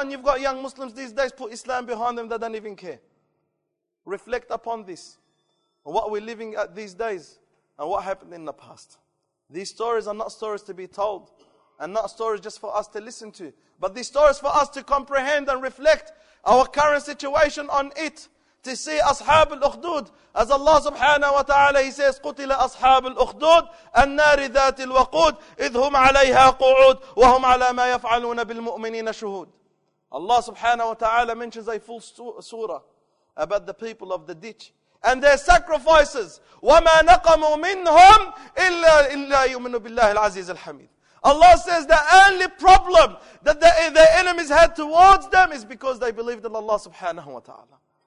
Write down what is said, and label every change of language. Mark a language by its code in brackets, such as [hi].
[en] And you've got young Muslims these days put Islam behind them, they don't even care. Reflect upon this. What we're living at these days and what happened in the past. These stories are not stories to be told. And not stories just for us to listen to. But these stories for us to comprehend and reflect our current situation on it. To see Ashab al-Ukhdud. As Allah subhanahu wa ta'ala, He says, [ar] قُتِلَ أَصْحَابُ الْأُخْدُودِ النَّارِ ذَاتِ الْوَقُودِ إِذْ هُمْ عَلَيْهَا قُعُودِ وَهُمْ عَلَى مَا يَفْعَلُونَ بِالْمُؤْمِنِينَ شُهُودِ. [en] Allah subhanahu wa ta'ala mentions a full surah about the people of the ditch and their sacrifices. [ar] وَمَا نَقَمُوا مِنْهُمْ إِلَّا يُؤْمِنُوا بِاللَّهِ الْعَزِيزِ الْحَمِيدِ. [en] Allah says the only problem that the enemies had towards them is because they believed in Allah subhanahu wa ta'ala.